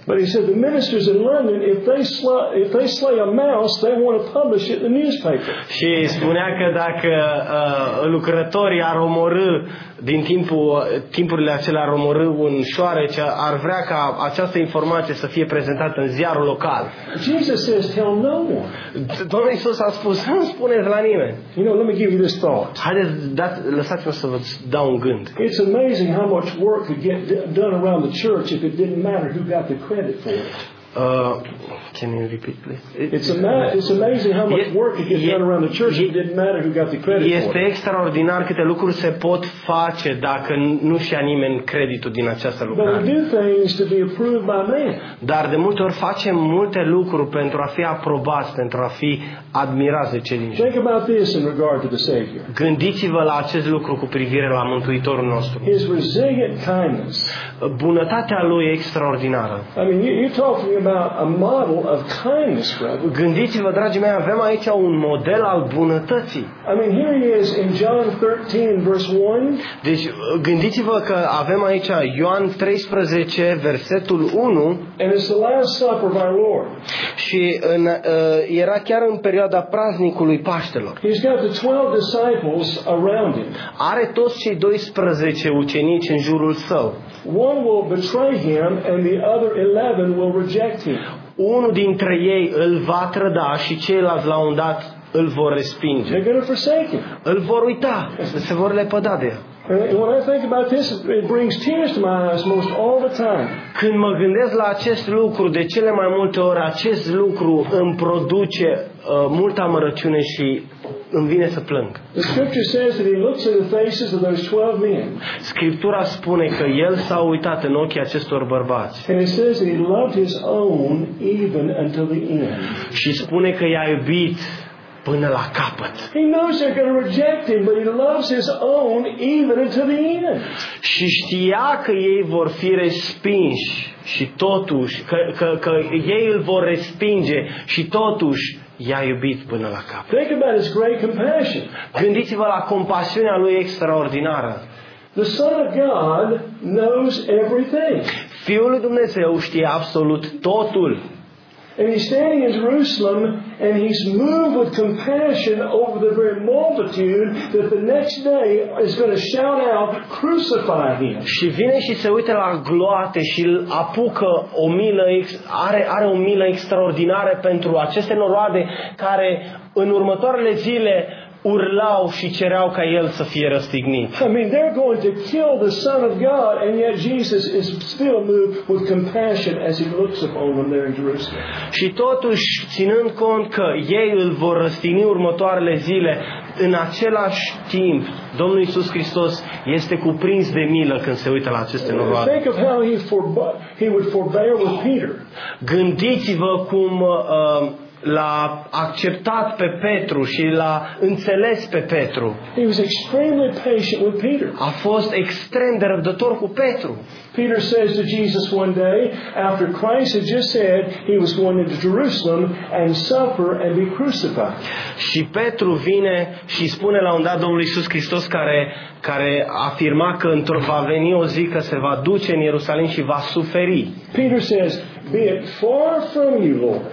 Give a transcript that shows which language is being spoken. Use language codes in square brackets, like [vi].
[en] But he said the ministers in London, if they slay a mouse, they want to publish it in the newspaper. [ro] Și spunea că dacă lucrătorii ar omorâ din timpurile acelea ar omorâ un șoarece, ar vrea ca această informație să fie prezentată în ziarul local. [en] Jesus says, tell no one. [ro] Domnul Iisus a spus, nu spuneți la nimeni. [en] You know, let me give you this thought. [ro] Haideți, lăsați-mă să vă dau un gând. [en] It's amazing how much work could get done around the church if it didn't matter who got the credit for it. Can you repeat, please? It's amazing how much work it gets done around the church. It didn't matter who got the credit. [ro] Este extraordinar câte lucruri se pot face dacă nu și-a nimeni creditul din această lucrare. [en] But we do things to be approved by man. [ro] Dar de multe ori facem multe lucruri pentru a fi aprobați, pentru a fi admirați de cei din jur. [en] Think about this in regard to the Savior. [ro] Gândiți-vă la acest lucru cu privire la Mântuitorul nostru. [en] His resilient kindness. [ro] Bunătatea lui extraordinară. [en] I mean, you talk about a model of kindness, brother. [ro] Gândiți-vă, dragii mei, avem aici un model al bunătății. [en] I mean, here he is in John 13, verse 1. [ro] Deci, gândiți-vă că avem aici Ioan 13, versetul 1. [en] And it's the last supper of our Lord. [ro] Și era chiar în perioada praznicului Paștelor. [en] He's got the 12 disciples around him. [ro] Are toți cei 12 ucenici în jurul său. [en] One will betray him and the other 11 will reject him. [ro] Unul dintre ei îl va trăda și ceilalți la un dat îl vor respinge. [en] They're going to forsake him. [ro] Îl vor uita, se vor lepăda de el. [en] When I think about this, it brings tears to my eyes most all the time. [ro] Când mă gândesc la acest lucru, de cele mai multe ori acest lucru îmi produce multă amărăciune și îmi vine să plâng. [en] The scripture says that he looks in the faces of those 12 men. [ro] Scriptura spune că el s-a uitat în ochii acestor bărbați. [en] And it says he loved his own even until the end. [ro] Și spune că i-a iubit până la capăt. [en] He knows they're going to reject him, but he loves his own even until the end. [ro] Și știa că ei vor fi respinși și totuși că ei îl vor respinge și totuși i-a iubit până la cap. [en] Think about his great compassion. [ro] Gândiți-vă la compasiunea lui extraordinară. [en] The Son of God knows everything. [ro] Fiul lui Dumnezeu știe absolut totul. [en] And he's standing in Jerusalem and he's moved with compassion over the very multitude that the next day is going to shout out, crucify him. [ro] Și vine și se uită la gloate și îl apucă o milă, are o milă extraordinară pentru aceste noroade care în următoarele zile urlau și cereau ca el să fie răstignit. [en] I mean, they're going to kill the Son of God, and yet Jesus is still moved with compassion as he looks upon them there in Jerusalem. [ro] Și totuși, ținând cont că ei îl vor răstigni următoarele zile, în același timp, Domnul Iisus Hristos este cuprins de milă când se uită la aceste noroade. [en] Think of how he would forbear with Peter. [ro] Gândiți-vă cum l-a acceptat pe Petru și l-a înțeles pe Petru. [en] He was extremely patient with Peter. [ro] A fost extrem de răbdător cu Petru. [en] Peter says to Jesus one day, after Christ had just said he was going into Jerusalem and suffer and be crucified. [ro] Și Petru vine și spune la un dat Domnul Iisus Hristos care afirma că într-o va veni o zi că se va duce în Ierusalim și va suferi. [en] Peter says, be it far from you, Lord.